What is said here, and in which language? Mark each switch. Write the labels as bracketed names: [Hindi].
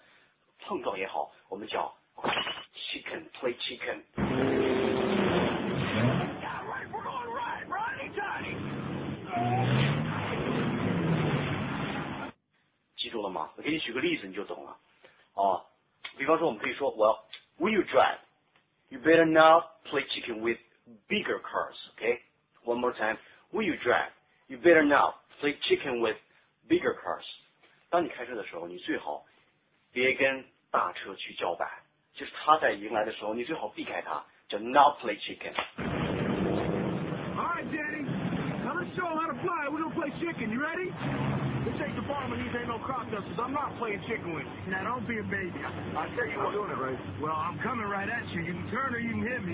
[Chinese] 在开车的时候,你往这边走,对面有一个车往这边走,两个车就像相撞的时候,一方会闪开。好,这种游戏或者这样的碰撞也好,我们叫... [English] Chicken, play chicken. Yeah, right, we're going right, righty-tighty. [Chinese] 记住了吗?我给你举个例子,你就懂了。比方说我们可以说, [English] well, when you drive, you better not play chicken with bigger cars, okay? One more time, when you drive, you better not play chicken with bigger cars. [Chinese] 当你开车的时候,你最好别跟大车去叫板。就是他在迎来的时候,你最好避开他, 叫 [English] not play chicken. All right, Danny. I'm going to show him how to fly. We're going to play chicken. You ready? Let's take the farmer. He ain't no crop dusters. I'm not playing chicken with you. Now, don't be a baby. I'll tell you what. I'm doing it, right? Well, I'm coming right at you. You can turn or you can hit me.